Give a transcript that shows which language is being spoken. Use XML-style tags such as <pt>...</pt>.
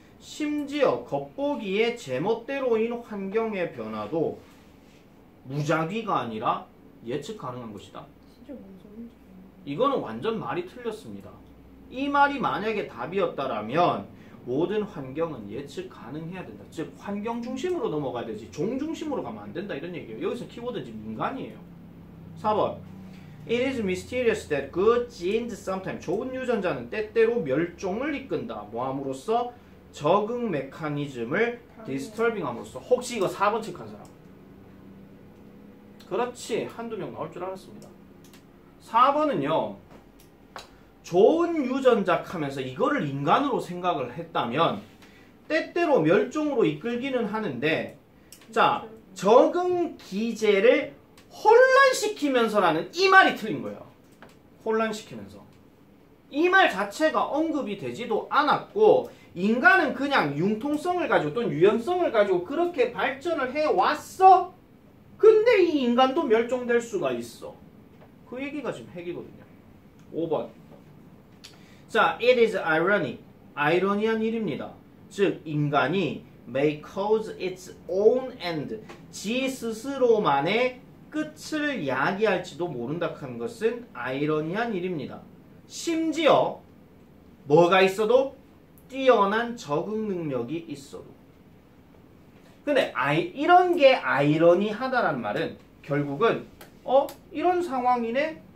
<ko>심지어 겉보기에 제멋대로인 환경의 변화도 무작위가 아니라 예측 가능한 것이다. 진짜 무서운. 이거는 완전 말이 틀렸습니다. 이 말이 만약에 답이었다라면 모든 환경은 예측 가능해야 된다. 즉 환경 중심으로 넘어가야 되지 종 중심으로 가면 안 된다 이런 얘기예요. 여기서 키워드는 인간이에요. 4번.</ko> <en>It is mysterious that good genes sometimes</en> <ko>좋은 유전자는 때때로 멸종을 이끈다. 뭐함으로써 적응 메커니즘을 디스터빙함으로써. 혹시 이거 4번 체크한 사람? 그렇지. 한두 명 나올 줄 알았습니다. 4번은요. 좋은 유전자 하면서 이거를 인간으로 생각을 했다면 때때로 멸종으로 이끌기는 하는데 자 적응 기제를 혼란시키면서라는 이 말이 틀린 거예요. 혼란시키면서. 이 말 자체가 언급이 되지도 않았고 인간은 그냥 융통성을 가지고 또는 유연성을 가지고 그렇게 발전을 해왔어. 근데 이 인간도 멸종될 수가 있어. 그 얘기가 지금 핵이거든요. 5번. 자,</ko> <en>it is ironic.</en> <ko>아이러니한 일입니다. 즉, 인간이</ko> <en>may cause its own end.</en> <ko>지 스스로만의 끝을 야기할지도 모른다 하는 것은 아이러니한 일입니다. 심지어 뭐가 있어도 뛰어난 적응 능력이 있어도. 근데 이런 게 아이러니하다란 말은 결국은 이런 상황이네?</ko>